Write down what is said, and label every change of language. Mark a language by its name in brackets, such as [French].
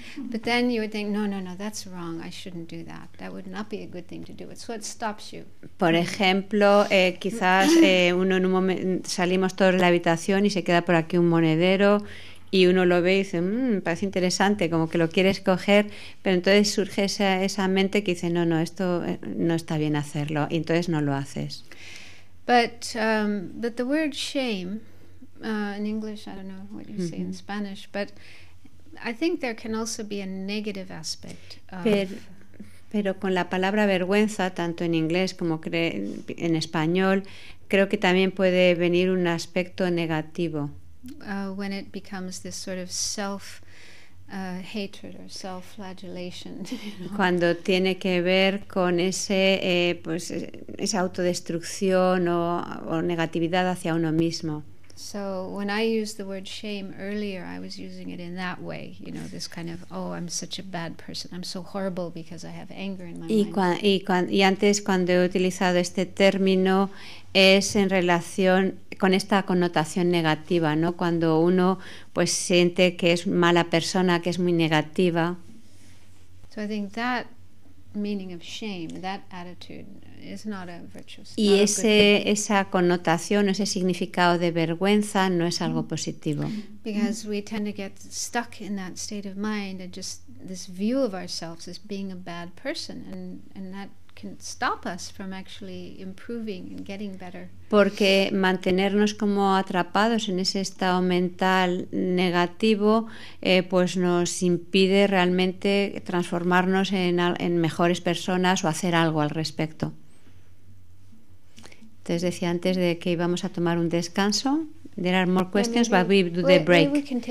[English] But then you would think, no, that's wrong, I shouldn't do that. That would not be a good thing to do. It's what stops you. [Spanish] Por ejemplo, quizás uno en un momento, salimos todos de la habitación y se queda por aquí un monedero, y uno lo ve y dice, parece interesante, como que lo quiere escoger, pero entonces surge esa mente que dice, no, esto no está bien hacerlo, y entonces no lo haces. [English] But the word shame, in English, I don't know what you say in Spanish, but I think there can also be a negative aspect. [Spanish] Pero con la palabra vergüenza, tanto en inglés como en español, creo que también puede venir un aspecto negativo. [English] When it becomes this sort of self hatred or self-flagellation. [Spanish] Cuando tiene que ver con ese pues esa autodestrucción o negatividad hacia uno mismo. [English] So when I used the word shame earlier, I was using it in that way, you know, this kind of, oh, I'm such a bad person, I'm so horrible because I have anger in my mind. [Spanish] Y antes cuando he utilizado este término es en relación con esta connotación negativa, ¿no? Cuando uno pues siente que es mala persona, que es muy negativa. [English] So I think that meaning of shame, that attitude is not a virtuous. [Spanish] Y esa connotación, ese significado de vergüenza no es algo positivo. [English] Because we tend to get stuck in that state of mind and just this view of ourselves as being a bad person, and that can stop us from actually improving and getting better. [Spanish] Porque mantenernos como atrapados en ese estado mental negativo, pues nos impide realmente transformarnos en mejores personas o hacer algo al respecto. Entonces decía antes de que íbamos a tomar un descanso. [English] There are more questions, but we do the break.